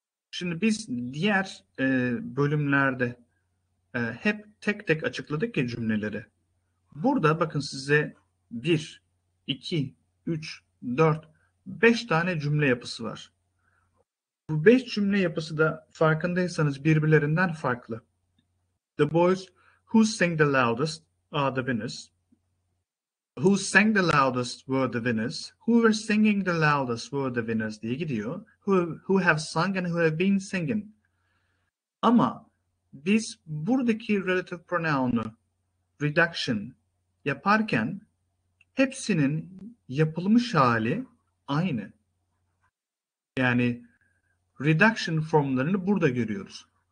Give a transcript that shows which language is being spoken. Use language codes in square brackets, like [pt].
[tr] Şimdi biz diğer bölümlerde hep tek tek açıkladık ya cümleleri. Burada bakın size 1, 2, 3, 4, 5 tane cümle yapısı var. Bu 5 cümle yapısı da farkındaysanız birbirlerinden farklı. [en] The boys who sang the loudest are the winners. Who sang the loudest were the winners. Who were singing the loudest were the winners [tr] diye gidiyor. [en] Who have sung and who have been singing. [tr] Ama biz buradaki relative pronoun'u reduction yaparken hepsinin yapılmış hali aynı. Yani reduction formlarını burada görüyoruz.